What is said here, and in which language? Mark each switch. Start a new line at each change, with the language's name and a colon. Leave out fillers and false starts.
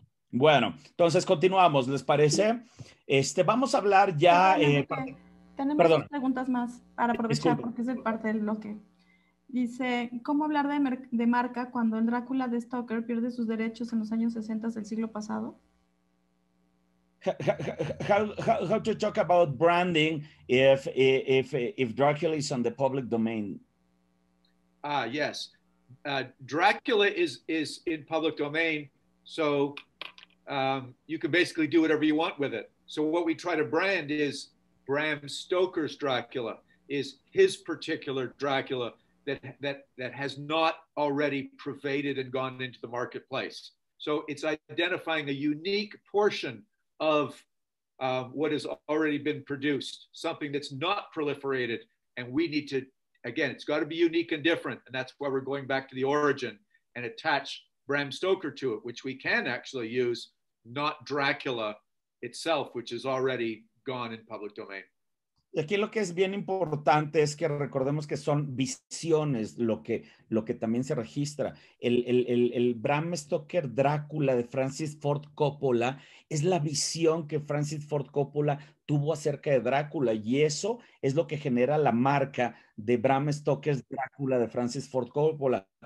Spanish: Bueno, entonces continuamos, ¿les parece? Vamos a hablar ya... Tenemos preguntas más para aprovechar. Disculpe. Porque es de parte del bloque. Dice, ¿cómo hablar de marca cuando el Drácula de Stoker pierde sus derechos en los años 60 del siglo pasado?
English: how to talk about branding if Dracula is on the public domain? Yes. Dracula is in public domain, so you can basically do whatever you want with it. So what we try to brand is Bram Stoker's Dracula, is his particular Dracula that has not already pervaded and gone into the marketplace. So it's identifying a unique portion of what has already been produced, something that's not proliferated, and we need to, again, it's got to be unique and different, and that's why we're going back to the origin and attach Bram Stoker to it, which we can actually use, not Dracula itself, which is already gone in public domain.
Spanish: Y aquí lo que es bien importante es que recordemos que son visiones lo que también se registra. El Bram Stoker Drácula de Francis Ford Coppola es la visión que Francis Ford Coppola tuvo acerca de Drácula, y eso es lo que genera la marca de Bram Stoker Drácula de Francis Ford Coppola.